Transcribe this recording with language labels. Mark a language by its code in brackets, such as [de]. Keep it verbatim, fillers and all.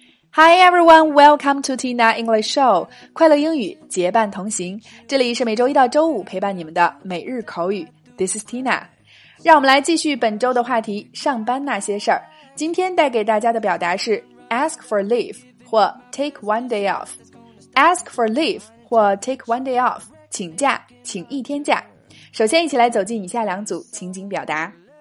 [en] Hi everyone, welcome to Tina English Show. [zh] 快乐英语结伴同行，这里是每周一到周五陪伴你们的每日口语。 [en] This is Tina. [zh] 让我们来继续本周的话题，上班那些事儿。今天带给大家的表达是 [en] ask for leave 或 take one day off. Ask for leave [zh] 或 [en] take one day off. [zh] 请假，请一天假。首先，一起来走进以下两组情景表达。